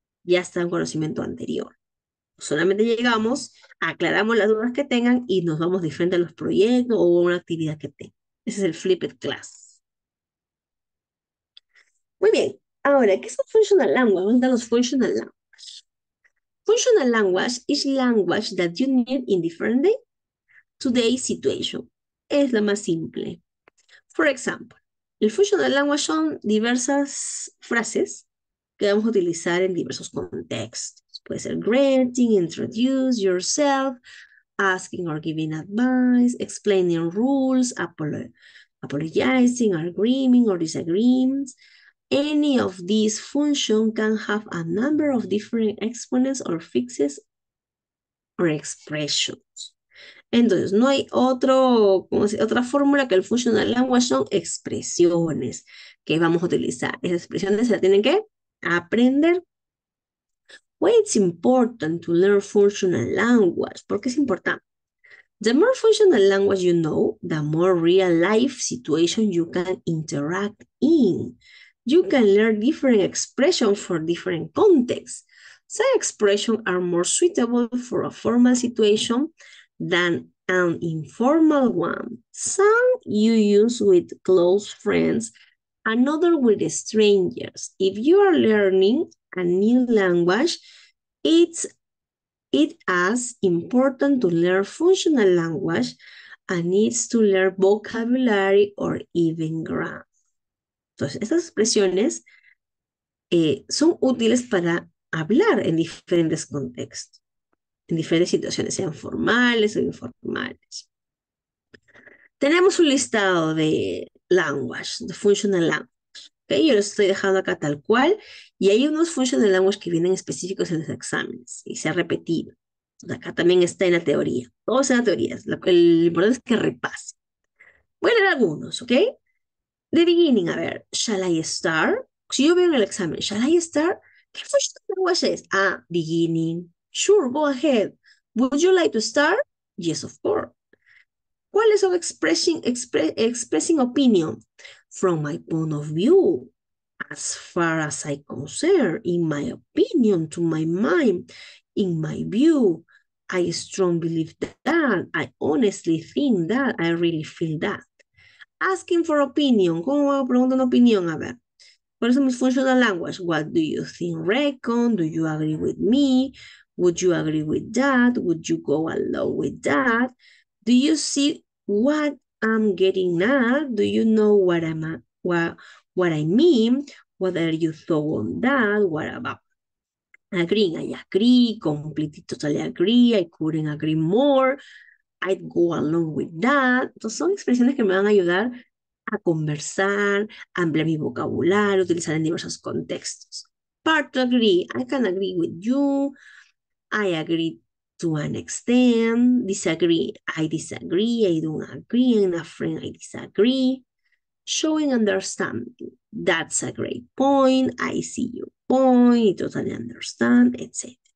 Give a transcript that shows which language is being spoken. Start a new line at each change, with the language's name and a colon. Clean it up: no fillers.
Spanish: Ya está un conocimiento anterior. Solamente llegamos, aclaramos las dudas que tengan y nos vamos de frente a los proyectos o a una actividad que tengan. Ese es el Flipped Class. Muy bien. Ahora, ¿qué es un Functional Language? ¿Dónde están los Functional Language?
English: Functional Language is language that you need in different day to day situation.
Spanish: Es la más simple.
English: For example,
Spanish: el Functional Language son diversas frases que vamos a utilizar en diversos contextos.
English: Puede ser greeting, introduce yourself, asking or giving advice, explaining rules, apologizing, agreeing or disagreeing. Any of these functions can have a number of different exponents or fixes or expressions.
Spanish: Entonces, no hay otro, ¿cómo se, otra fórmula que el functional language son expresiones que vamos a utilizar? Esas expresiones se las tienen que aprender.
English: Why it's important to learn functional language?
Spanish: ¿Por qué es importante?
English: The more functional language you know, the more real life situation you can interact in. You can learn different expressions for different contexts. Some expressions are more suitable for a formal situation than an informal one. Some you use with close friends, another with strangers. If you are learning a new language, it's as important to learn functional language as needs to learn vocabulary or even grammar.
Spanish: Entonces, estas expresiones son útiles para hablar en diferentes contextos, en diferentes situaciones, sean formales o informales. Tenemos un listado de language, de functional language. ¿Okay? Yo los estoy dejando acá tal cual. Y hay unos functional language que vienen específicos en los exámenes y se ha repetido. Acá también está en la teoría. Todo es en la teoría. Lo importante es que repase. Voy a leer algunos, ¿ok?
English: The beginning,
Spanish: a ver,
English: shall I start?
Spanish: Si yo veo en el examen,
English: shall I start?
Spanish: ¿Qué functional language es?
English: Ah, beginning. Sure, go ahead. Would you like to start? Yes, of course.
Spanish: ¿Cuáles son expressing opinion?
English: From my point of view, as far as I concern, in my opinion, to my mind, in my view, I strongly believe that, I honestly think that, I really feel that. Asking for opinion.
Spanish: ¿Cómo hago pregunta una opinión? A ver. ¿Cuáles son mis functional language?
English: What do you think, reckon? Do you agree with me? Would you agree with that? Would you go along with that? Do you see what I'm getting at? Do you know what what I mean? What are your thoughts on that? What about agreeing? I agree, completely, totally agree. I couldn't agree more. I'd go along with that.
Spanish: Entonces, son expresiones que me van a ayudar a conversar, a ampliar mi vocabulario, utilizar en diversos contextos.
English: Partly agree. I can agree with you. I agree. To an extent, disagree, I disagree, I don't agree, and a friend, I disagree. Showing understanding, that's a great point, I see your point, I totally understand, etc.